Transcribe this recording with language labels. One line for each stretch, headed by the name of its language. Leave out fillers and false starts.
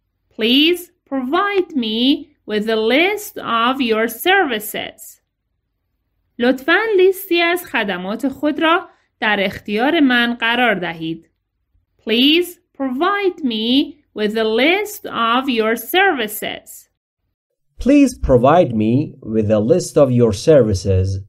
English: Please provide me with a list of your services.
Persian: لطفاً لیستی از خدمات خود را در اختیار من قرار دهید.
English: Please provide me with a list of your services. Please provide me with a list of your services.